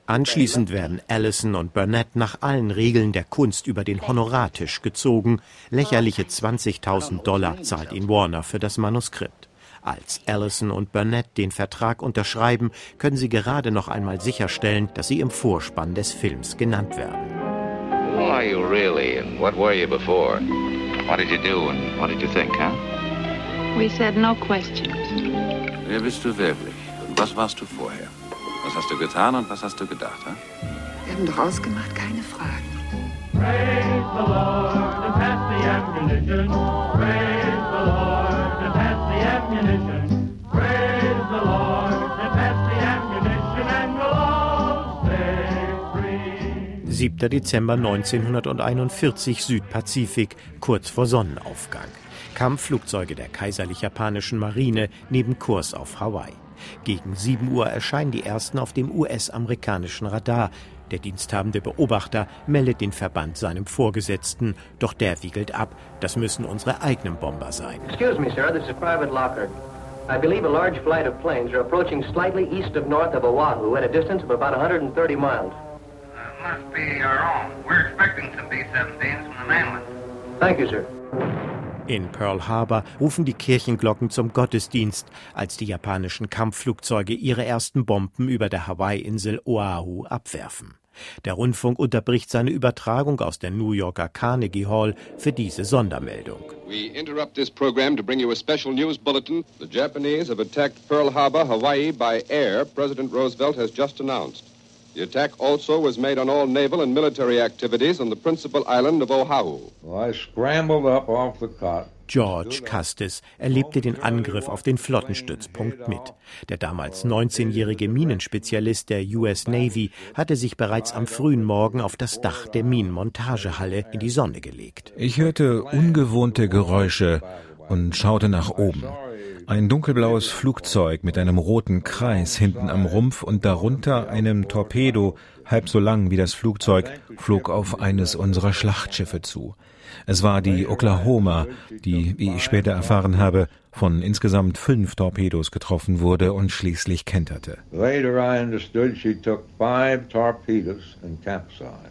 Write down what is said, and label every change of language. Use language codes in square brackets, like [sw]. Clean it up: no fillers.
[de] Anschließend werden Allison und Burnett nach allen Regeln der Kunst über den Honorartisch gezogen. Lächerliche $20.000 zahlt ihn Warner für das Manuskript. Als Allison und Burnett den Vertrag unterschreiben, können sie gerade noch einmal sicherstellen, dass sie im Vorspann des Films genannt werden. [en] Who are you really and what were you before? What did you do and what did you think, huh? We said no questions. [de] Wer bist du wirklich? Was warst du vorher? Was hast du getan und was hast du gedacht, huh? Wir haben doch ausgemacht, keine Fragen. [en] Praise the Lord and pass the ammunition. [de] Dezember 1941, Südpazifik, kurz vor Sonnenaufgang. Kampfflugzeuge der kaiserlich-japanischen Marine nehmen Kurs auf Hawaii. Gegen 7 Uhr erscheinen die ersten auf dem US-amerikanischen Radar. Der diensthabende Beobachter meldet den Verband seinem Vorgesetzten, doch der wiegelt ab. Das müssen unsere eigenen Bomber sein. [en] Excuse me, sir, this is a private locker. I believe a large flight of planes are approaching slightly east of north of Oahu at a distance of about 130 miles. Must be our own. We're expecting some B-17s from the mainland. Thank you, sir. [de] In Pearl Harbor rufen die Kirchenglocken zum Gottesdienst, als die japanischen Kampfflugzeuge ihre ersten Bomben über der Hawaii-Insel Oahu abwerfen. Der Rundfunk unterbricht seine Übertragung aus der New Yorker Carnegie Hall für diese Sondermeldung. [en] We interrupt this program to bring you a special news bulletin. The Japanese have attacked Pearl Harbor, Hawaii, by air, President Roosevelt has just announced. The attack also was made on all naval and military activities on the principal island of Oahu. Well, I scrambled up off the cot. [de] George Custis erlebte den Angriff auf den Flottenstützpunkt mit. Der damals 19-jährige Minenspezialist der US Navy hatte sich bereits am frühen Morgen auf das Dach der Minenmontagehalle in die Sonne gelegt. Ich hörte ungewohnte Geräusche und schaute nach oben. Ein dunkelblaues Flugzeug mit einem roten Kreis hinten am Rumpf und darunter einem Torpedo, halb so lang wie das Flugzeug, flog auf eines unserer Schlachtschiffe zu. Es war die Oklahoma, die, wie ich später erfahren habe, von insgesamt 5 Torpedos getroffen wurde und schließlich kenterte. [en] Later I understood she took 5 torpedoes and capsized.